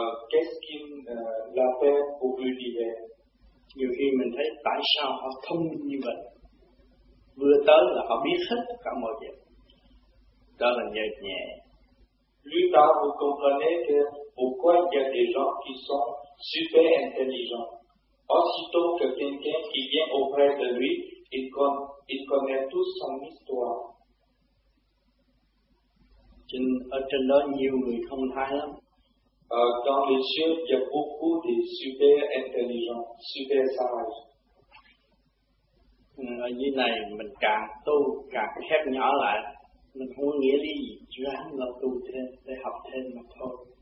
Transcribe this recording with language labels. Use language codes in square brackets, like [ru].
[fr] Qu'est-ce qui la fait pour l'univers? [vi] Nhiều khi mình thấy tại sao họ thông minh như vậy. Vừa tới là họ biết hết tất cả mọi việc. Đó là nhẹ nhẹ. [fr] Plus tard, vous comprenez que pourquoi il y a des gens qui sont super intelligents. Aussitôt que quelqu'un qui vient auprès de lui, il connaît toute son histoire. [vi] Ở trên đó nhiều người thông thái lắm. [fr] Dans les cieux, il y a beaucoup de super intelligents, super sages. [vi] Ở dưới này, mình càng tu càng khép nhỏ lại. Mình không có nghĩa lý gì, chỉ ráng là tu thêm, để học thêm mà thôi.